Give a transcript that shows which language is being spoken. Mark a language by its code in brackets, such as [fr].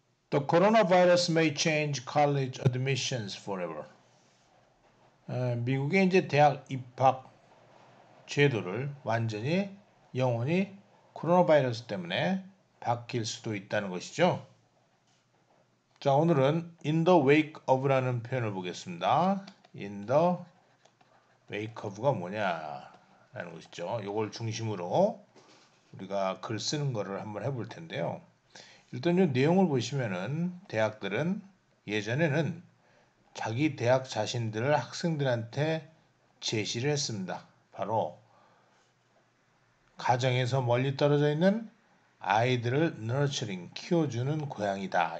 [en] The coronavirus may change college admissions forever. [ko] 미국의 이제 대학 입학 제도를 완전히 영원히 코로나바이러스 때문에 바뀔 수도 있다는 것이죠. 자, 오늘은 in the wake of라는 표현을 보겠습니다. In the wake of가 뭐냐라는 것이죠. 이걸 중심으로 우리가 글 쓰는 거를 한번 해볼 텐데요. 일단 이 내용을 보시면은 대학들은 예전에는 자기 대학 자신들을 학생들한테 제시를 했습니다. 바로 가정에서 멀리 떨어져 있는 아이들을 nurturing, 키워주는 고향이다.